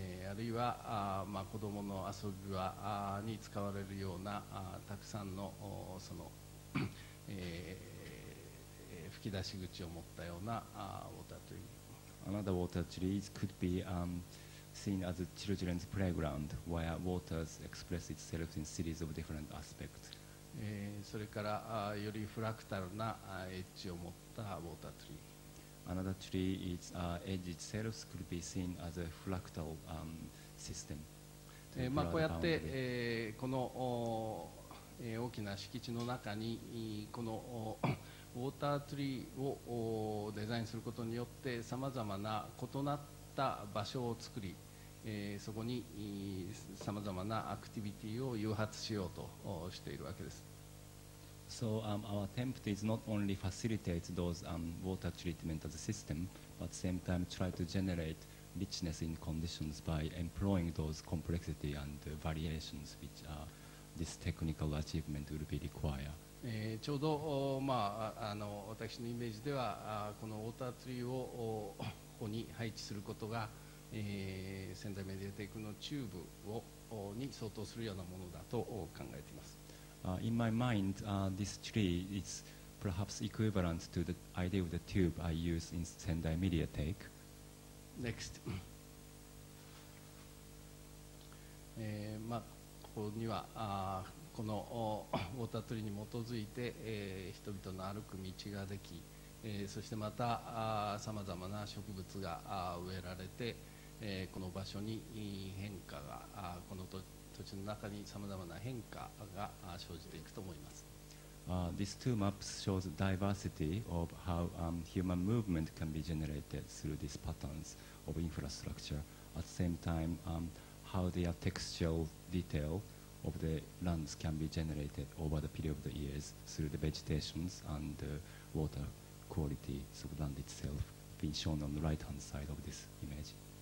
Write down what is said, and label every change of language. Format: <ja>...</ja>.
<ja>あるいは、まあ、子どもの遊び場に使われるようなたくさんのその吹き出し口を持ったようなウォータートリー。</ja> <en>Another water tree could be seen as a children's playground where water expresses itself in series of different aspects.</en> <ja>それからよりフラクタルなエッジを持ったウォータートリ</ja> <en>ー。 Another tree is edge itself could be seen as a fractal system.</en> <ja>まあこうやって、この大きな敷地の中にこのウォータートリーをデザインすることによって、さまざまな異なったした場所を作り、そこにさまざまなアクティビティを誘発しようとしているわけです。</ja> <en>So, our attempt is not only facilitate those water treatment as a system, but at the same time try to generate richness in conditions by employing those complexity and variations which this technical achievement will be required.</en> <ja>ちょうど、まあ、私のイメージではこのウォータートリーをここに配置することが、仙台メディアテックのチューブをに相当するようなものだと考えています。</ja> <en>In my mind, this tree is perhaps equivalent to the idea of the tube I use in Sendai Media Take. Next.</en> <ja>まあ、ここにはこのウォータートリーに基づいて、人々の歩く道ができ、そしてまたさまざまな植物が植えられて、この場所に変化がこの土地の中にさまざまな変化が生じていくと思います。</ja> <en>These two maps show the diversity of how human movement can be generated through these patterns of infrastructure. At the same time, how their textual detailof the lands can be generated over the period of the years through the vegetations and the water quality of land itself being shown on the right hand side of this image.</en>